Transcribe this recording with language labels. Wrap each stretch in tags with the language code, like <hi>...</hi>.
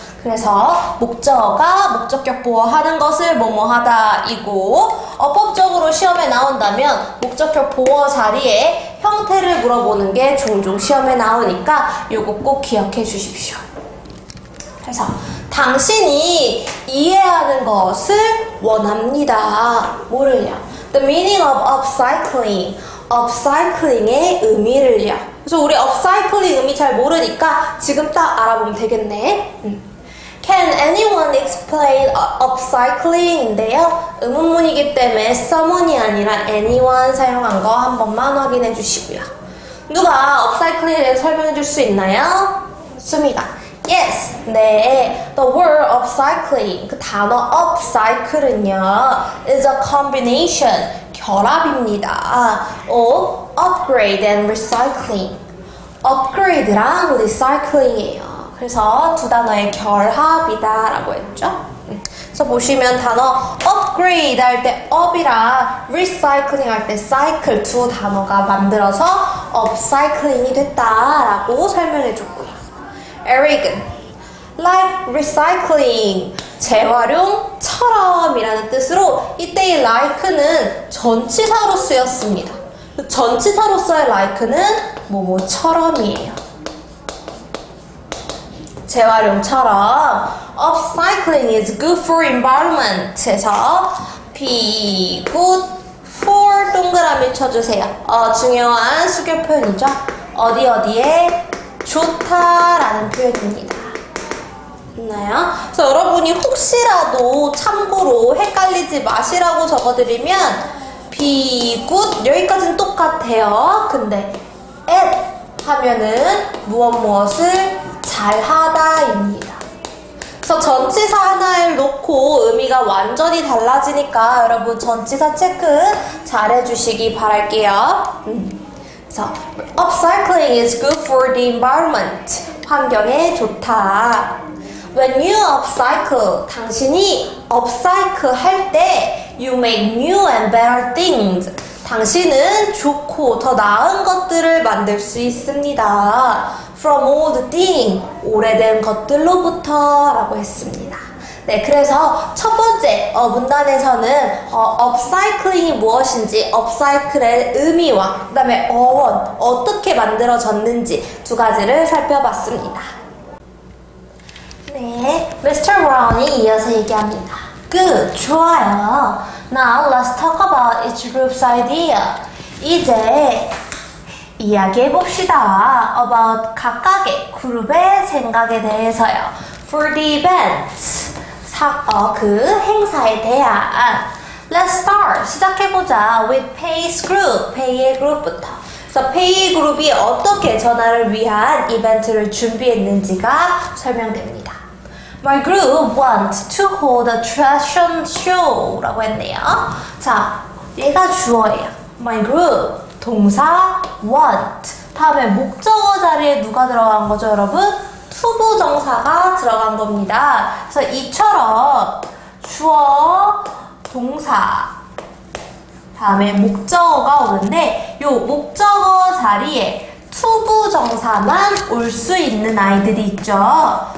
<ko>그래서 목적어가 목적격 보어하는 것을 뭐뭐하다이고 어법적으로 시험에 나온다면 목적격 보어 자리에 형태를 물어보는 게 종종 시험에 나오니까 이거 꼭 기억해 주십시오. 그래서 당신이 이해하는 것을 원합니다. 뭐를요?</ko> <en>The meaning of upcycling.</en> <ko>Upcycling의 의미를요. 그래서 우리 upcycling 의미 잘 모르니까 지금 딱 알아보면 되겠네.</ko> <en>Can anyone explain upcycling인데요?</en> <ko>의문문이기 때문에 someone이 아니라 anyone 사용한 거 한 번만 확인해 주시고요. 누가 upcycling에 대해 설명해 줄 수 있나요? 수미가. Yes! 네,</ko> <en>the word upcycling,</en> <ko>그 단어 upcycle은요,</ko> <en>is a combination,</en> <ko>결합입니다.</ko> <en>of upgrade and recycling.</en> <ko>upgrade랑 recycling이에요. 그래서 두 단어의 결합이다 라고 했죠. 그래서 보시면 단어 upgrade 할 때 up이랑 recycling 할 때 cycle 두 단어가 만들어서 upcycling이 됐다 라고 설명해 줬고요. Eric은</ko> <en>like recycling</en> <ko>재활용처럼이라는 뜻으로 이때의 like는 전치사로 쓰였습니다. 전치사로서의 like는 뭐뭐처럼이에요. 재활용처럼</ko> <en>upcycling is good for environment</en> <ko>해서</ko> <en>be good for</en> <ko>동그라미 쳐주세요. 중요한 수결 표현이죠. 어디 어디에 좋다라는 표현입니다. 있나요? 그래서 여러분이 혹시라도 참고로 헷갈리지 마시라고 적어드리면 be good 여기까지는 똑같아요. 근데 at 하면은 무엇 무엇을 잘하다입니다. 그래서 전치사 하나를 놓고 의미가 완전히 달라지니까 여러분 전치사 체크 잘해주시기 바랄게요.</ko> <en>그래서 upcycling is good for the environment.</en> <ko>환경에 좋다.</ko> <en>When you upcycle,</en> <ko>당신이 upcycle 할 때</ko> <en>you make new and better things.</en> <ko>당신은 좋고 더 나은 것들을 만들 수 있습니다.</ko> <en>From old thing,</en> <ko>오래된 것들로부터 라고 했습니다. 네, 그래서 첫 번째 문단에서는 upcycling이 무엇인지, upcycle의 의미와 그 다음에 어원, 어떻게 만들어졌는지 두 가지를 살펴봤습니다. 네, Mr. Brown이 이어서 얘기합니다.</ko> <en>Good,</en> <ko>좋아요.</ko> <en>Now let's talk about each group's idea.</en> <ko>이제 이야기해 봅시다.</ko> <en>About</en> <ko>각각의 그룹의 생각에 대해서요.</ko> <en>For the events,</en> <ko>그 행사에 대한.</ko> <en>Let's start,</en> <ko>시작해보자.</ko> <en>With Pay's group,</en> <ko>Pay의 그룹부터. 그래서 Pay의 그룹이 어떻게 전화를 위한 이벤트를 준비했는지가 설명됩니다.</ko> <en>My group wants to hold a fashion show</en> <ko>라고 했네요. 자, 얘가 주어예요.</ko> <en>My group.</en> <ko>동사 want 다음에 목적어 자리에 누가 들어간 거죠 여러분? 투부정사가 들어간 겁니다. 그래서 이처럼 주어, 동사 다음에 목적어가 오는데 요 목적어 자리에 투부정사만 올 수 있는 아이들이 있죠.</ko>